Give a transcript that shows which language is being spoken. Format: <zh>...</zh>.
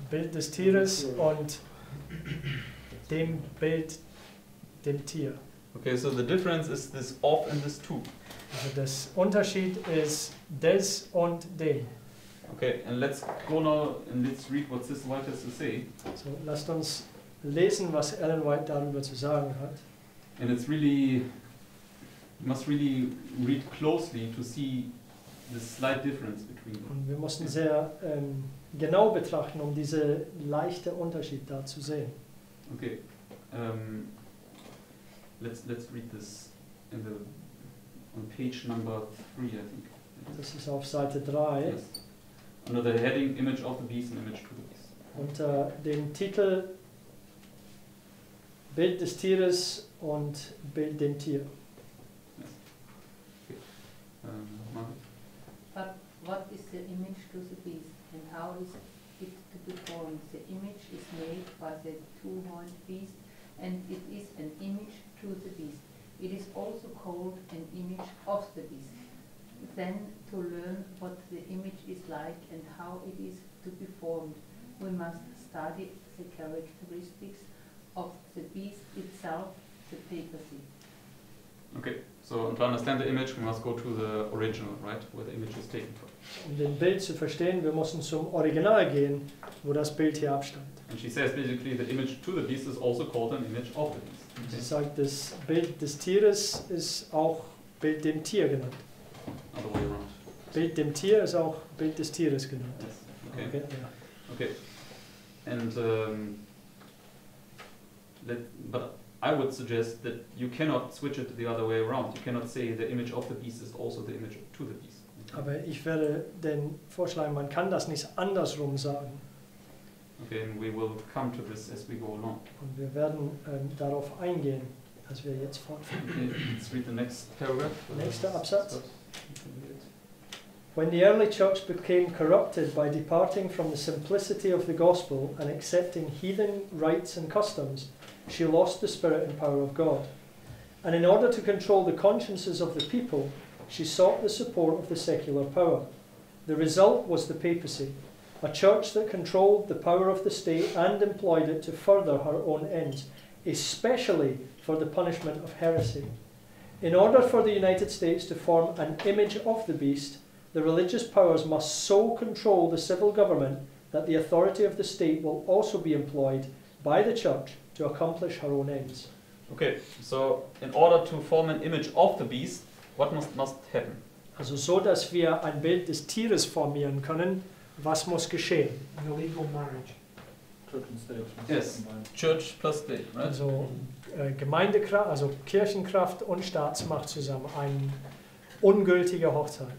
<de>Bild des Tieres und dem Bild dem Tier.</de> <en>Okay, so the difference is this of and this to.</en> <de>Also das Unterschied ist des und dem.</de> <en>Okay, and let's go now and let's read what Sister White has to say.</en> <de>So lasst uns lesen, was Ellen White darüber zu sagen hat.</de> <en>And it's really, you must really read closely to see the slight difference between them.</en> <de>Und wir mussten sehr genau betrachten, um diese leichte Unterschied da zu sehen.</de> <en>Okay, let's read this in the on page number 3, I think.</en> <de>Das ist auf Seite 3.</de> <en>Yes. Under the heading Image of the Beast and Image to the Beast.</en> <de>Unter dem Titel Bild des Tieres und Bild dem Tier.</de> <en>Yes. Okay. But what is the image to the beast and how is it to be formed? The image is made by the two-horned beast and it is an image to the beast. It is also called an image of the beast. Then to learn what the image is like and how it is to be formed, we must study the characteristics of the beast itself, the papacy. Okay, so to understand the image, we must go to the original, right, where the image is taken from.</en> <de>Um den Bild zu verstehen, wir müssen zum Original gehen, wo das Bild hier abstammt.</de> <en>And she says basically the image to the beast is also called an image of the beast. Okay.</en> <de>Sie sagt, das Bild des Tieres ist auch Bild dem Tier genannt.</de> <en>Other way around.</en> <de>Bild dem Tier ist auch Bild des Tieres genannt.</de> <en>Yes. Okay. Okay. Okay. And but I would suggest that you cannot switch it the other way around. You cannot say the image of the beast is also the image to the beast.</en> <de>Aber ich werde den vorschlagen, man kann das nicht andersrum sagen.</de> <en>Okay, and we will come to this as we go along.</en> <de>Und wir werden darauf eingehen, als wir jetzt fortfahren.</de> <en>Okay, let's read the next paragraph.</en> <de>Nächster Absatz.</de> <en>When the early church became corrupted by departing from the simplicity of the gospel and accepting heathen rites and customs, she lost the spirit and power of God. And in order to control the consciences of the people, she sought the support of the secular power. The result was the papacy, a church that controlled the power of the state and employed it to further her own ends, especially for the punishment of heresy. In order for the United States to form an image of the beast, the religious powers must so control the civil government that the authority of the state will also be employed by the church to accomplish her own ends. Okay, so in order to form an image of the beast, what must happen?</en> <de>Also so dass wir ein Bild des Tieres formieren können, was muss geschehen?</de> <en>An illegal marriage. Church and state. Yes, church plus state, right?</en> <de>Also Gemeindekraft, also Kirchenkraft und Staatsmacht zusammen, ein ungültige Hochzeit.</de>